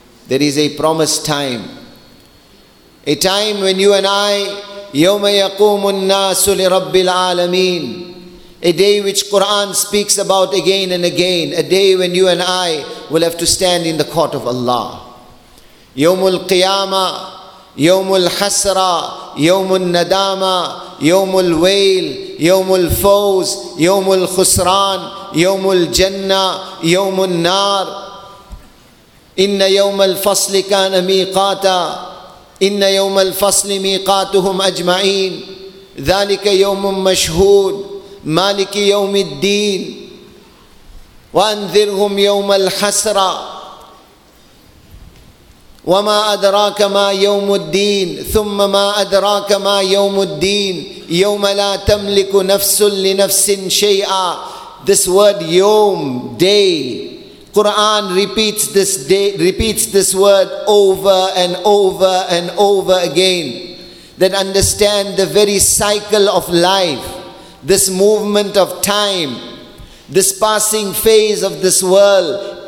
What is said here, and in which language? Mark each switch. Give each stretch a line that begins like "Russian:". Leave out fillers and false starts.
English: There is a promised time. A time when you and I,
Arabic: يَوْمَ يَقُومُ النَّاسُ لِرَبِّ الْعَالَمِينَ.
English: A day which Quran speaks about again and again. A day when you and I will have to stand in the court of Allah.
Arabic: يَوْمُ الْقِيَامَةِ يَوْمُ الْحَسْرَةِ يَوْمُ النَّدَامَةِ يوم الويل يوم الفوز يوم الخسران يوم الجنة يوم النار إن يوم الفصل كان ميقاتا إن يوم الفصل ميقاتهم أجمعين ذلك يوم مشهود مالك يوم الدين وأنذرهم يوم الحسرة وَمَا أَدْرَاكَ مَا يَوْمُ الدِّينِ ثُمَّ مَا أَدْرَاكَ مَا يَوْمُ الدِّينِ يَوْمَ لَا تَمْلِكُ نَفْسٌ لِنَفْسٍ شَيْئًا.
English: This word yom, day, Quran repeats this day, repeats this word over and over and over again. Then understand the very cycle of life, this movement of time, this passing phase of this world.